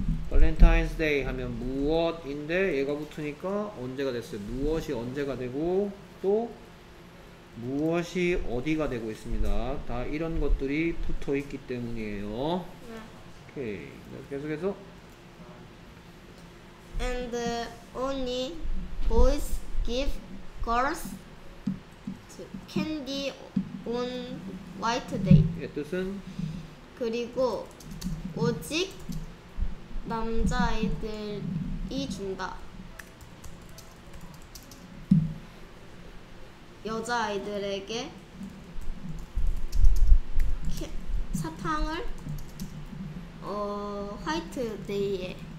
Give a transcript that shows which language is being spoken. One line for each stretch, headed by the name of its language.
Korean: Valentine's Day 하면 무엇인데 얘가 붙으니까 언제가 됐어요? 무엇이 언제가 되고 또 무엇이 어디가 되고 있습니다. 다 이런 것들이 붙어 있기 때문이에요. 네. 오케이. 계속해서.
English: And only boys give girls candy on white day.
Korean: 예, 뜻은? 그리고 오직 남자아이들이 준다. 여자아이들에게 사탕을 화이트 데이에.